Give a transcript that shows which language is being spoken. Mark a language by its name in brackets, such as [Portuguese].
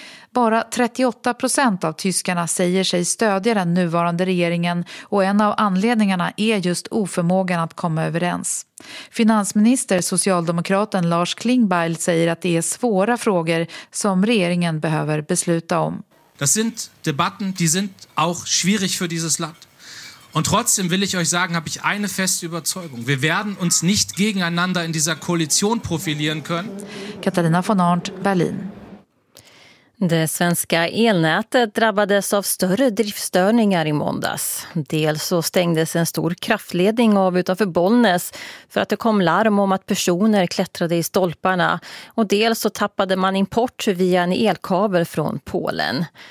[Swedish] Bara 38% av tyskarna säger sig stödja den nuvarande regeringen, och en av anledningarna är just oförmågan att komma överens. Finansminister socialdemokraten Lars Klingbeil säger att det är svåra frågor som regeringen behöver besluta om. [German] Das sind Debatten, die sind auch schwierig für dieses Land. Und trotzdem will ich euch sagen, habe ich eine feste Überzeugung. Wir werden uns nicht gegeneinander in dieser Koalition profilieren können. [Swedish] Katarina von Arndt, Berlin. Det svenska elnätet drabbades av större driftstörningar i måndags. Dels så stängdes en stor kraftledning av utanför Bollnäs för att det kom larm om att personer klättrade i stolparna. Och dels så tappade man import via en elkabel från Polen.